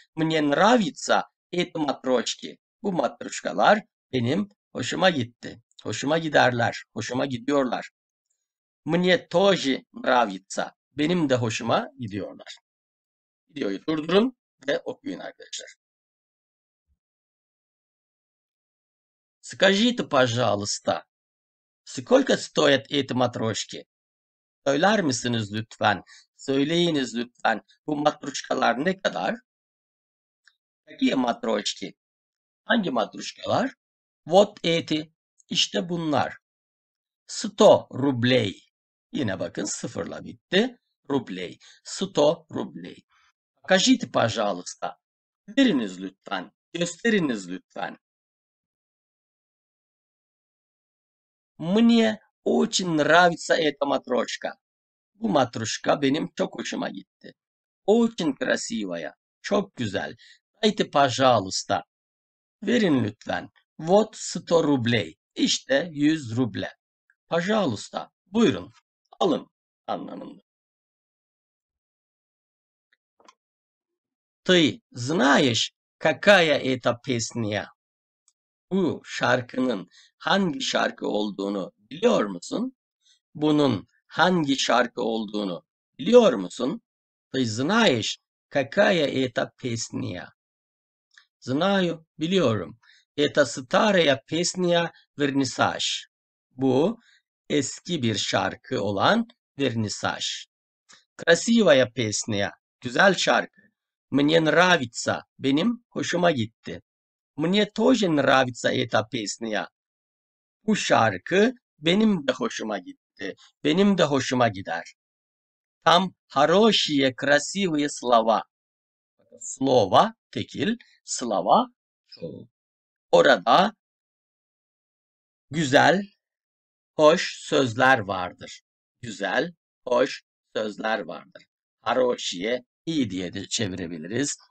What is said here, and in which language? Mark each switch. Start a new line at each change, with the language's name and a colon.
Russian: Мне нравится это матрошки.
Turkish: Bu matruşkalar benim hoşuma gitti. Hoşuma giderler. Hoşuma gidiyorlar.
Russian: Мне тоже нравится.
Turkish: Benim de hoşuma gidiyorlar. Videoyu durdurun ve okuyun arkadaşlar.
Russian: Скажите, пожалуйста, сколько стоят эти матрешки?
Turkish: Söyler misiniz lütfen? Söyleyiniz lütfen. Bu matruşkalar ne kadar?
Russian: Какие матрешки?
Turkish: Hangi matruşkalar?
Russian: Вот эти.
Turkish: İşte bunlar.
Russian: 100 рублей.
Turkish: Yine bakın sıfırla bitti.
Russian: Рублей. 100 рублей. Покажите, пожалуйста.
Turkish: Veriniz lütfen. Gösteriniz lütfen.
Russian: Мне очень нравится эта матрешка.
Turkish: Bu matruşka benim çok hoşuma gitti.
Russian: Очень красивая.
Turkish: Çok güzel.
Russian: Дайте, пожалуйста.
Turkish: Verin lütfen.
Russian: Вот 100 рублей.
Turkish: İşte 100 ruble.
Russian: Пожалуйста.
Turkish: Buyurun. Alın anlamında.
Russian: Ты знаешь, какая это песня?
Turkish: Bu şarkının hangi şarkı olduğunu biliyor musun? Bunun hangi şarkı olduğunu biliyor musun?
Russian: Ты знаешь, какая это песня? Знаю, biliyorum. Это старая песня «Вернисаж».
Turkish: Bu eski bir şarkı olan «Вернисаж».
Russian: Красивая песня.
Turkish: Güzel şarkı.
Russian: Мне нравится.
Turkish: Benim hoşuma gitti.
Russian: Мне тоже нравится эта песня.
Turkish: Bu şarkı benim de hoşuma gitti. Benim de hoşuma gider.
Russian: Там хорошие, красивые слова.
Turkish: Слова tekil, слова çoğul. Orada güzel, hoş sözler vardır. Güzel, hoş sözler vardır. Хорошие İyi diye de çevirebiliriz.